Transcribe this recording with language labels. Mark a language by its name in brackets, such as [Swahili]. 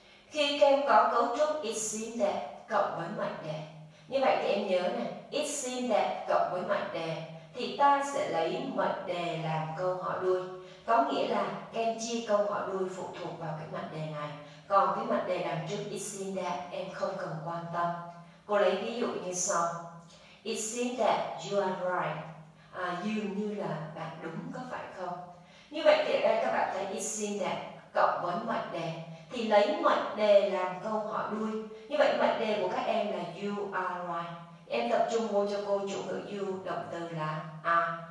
[Vietnamese] Khi các em có cấu trúc [English] it seems that [Vietnamese] cộng với mệnh đề. Như vậy thì em nhớ nè, [English] it seems that [Vietnamese] cộng với mệnh đề thì ta sẽ lấy mệnh đề làm câu hỏi đuôi. Có nghĩa là các em chia câu hỏi đuôi phụ thuộc vào cái mệnh đề này. Còn cái mệnh đề đằng trước [English] it seems that [Vietnamese] em không cần quan tâm. [English] Cô lấy ví dụ như sau: It seems that you are right. [Vietnamese] Dường như là bạn đúng, có phải không? Như vậy thì ở đây các bạn thấy [English] it seems that [Vietnamese] cộng với mệnh đề thì lấy mệnh đề làm câu hỏi đuôi. Như vậy mệnh đề của các em là [English] you are right. [Vietnamese] Em tập trung vô cho cô chủ ngữ you, động từ là are.